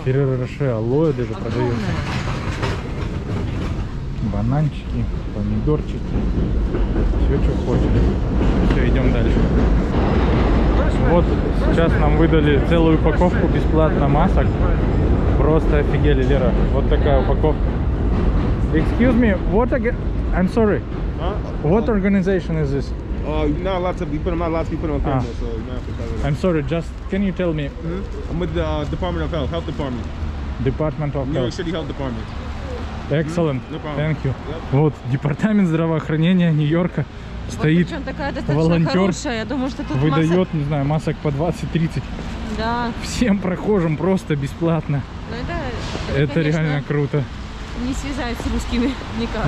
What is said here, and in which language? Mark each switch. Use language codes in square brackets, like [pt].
[ru] Ферреро Роше, алоэ даже продают. Бананчики, помидорчики. Все, что хочешь. Все, идем дальше. Вот сейчас нам выдали целую упаковку бесплатно масок. Просто офигели, Лера. Вот такая упаковка. [en] Excuse me, what again? I'm sorry. What organization is this? Not a lot of people. Not a lot of people on camera, so you might have to cover it. I'm sorry. Just can you tell me? I'm with the Department of Health, Health Department. Department of New York City Health Department. Excellent. No problem. Thank you. [ru] Вот департамент здравоохранения Нью-Йорка стоит. Вот такая достаточно волонтер хорошая. Я думаю, что тут выдает масок... не знаю, масок по 20-30. Да. Всем прохожим просто бесплатно. Ну это. Это реально круто. Не связать с русскими никак.